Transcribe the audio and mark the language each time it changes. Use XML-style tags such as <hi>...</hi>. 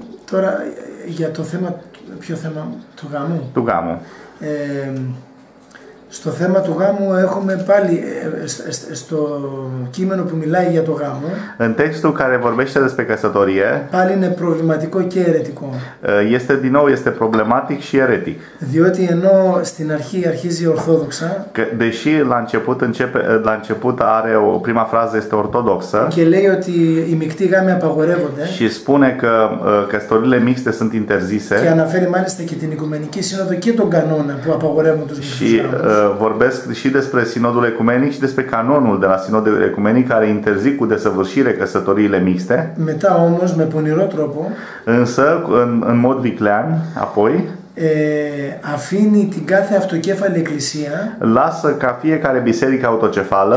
<el>Τώρα για το θέμα, ποιο θέμα, του γάμου. Του γάμου. Στο θέμα του γάμου έχουμε πάλι στο κείμενο που μιλάει για το γάμο.</el> <ro>În textul care vorbește despre căsătorie.</ro> <el>Πάλι είναι προβληματικό και αιρετικό.</el> <ro>Este din nou este problematic și eretic.</ro> <el>Διότι ενώ στην αρχή αρχίζει ορθόδοξα.</el> <ro>Deși la început are o prima frază este ortodoxă.</ro> <el>Και λέει ότι οι μεικτοί γάμοι απαγορεύονται.</el> <ro>Și spune că căsătorile mixte sunt interzise.</ro> <el>Και αναφέρει μάλιστα και την Οικουμενική Σύνοδο και τον κανόνα που απαγορεύουν τους μεικτούς γάμους.</el> <ro>Vorbesc și despre Sinodul Ecumenic și despre canonul de la Sinodul Ecumenic care interzic cu desăvârșire căsătoriile mixte.</ro> <el>Meta omos me poniro tropo.</el> <ro>Însă în mod viclean, apoi</ro> <el>αφήνει την κάθε αυτοκέφαλη εκκλησία.</el> <ro>Lasă ca fiecare biserică autocefală.</ro>